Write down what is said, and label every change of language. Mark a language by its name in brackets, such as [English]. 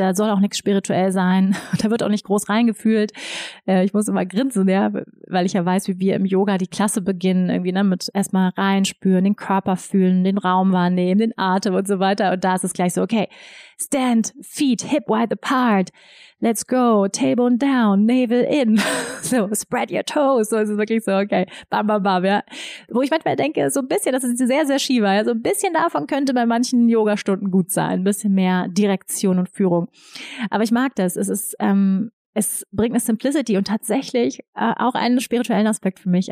[German] Da soll auch nichts spirituell sein. Da wird auch nicht groß reingefühlt. Ich muss immer grinsen, ja, weil ich ja weiß, wie wir im Yoga die Klasse beginnen. Irgendwie, ne, mit erstmal reinspüren, den Körper fühlen, den Raum wahrnehmen, den Atem und so weiter. Und da ist es gleich so, okay, [English] stand, feet, hip wide apart. Let's go, tailbone down, navel in. So, spread your toes. [German] So ist es wirklich so, okay, bam, bam, bam, ja. Wo ich manchmal denke, so ein bisschen, das ist sehr, sehr Shiva, ja, so ein bisschen davon könnte bei manchen Yogastunden gut sein. Ein bisschen mehr Direktion und Führung. Aber ich mag das. Es ist, es bringt eine Simplicity und tatsächlich auch einen spirituellen Aspekt für mich.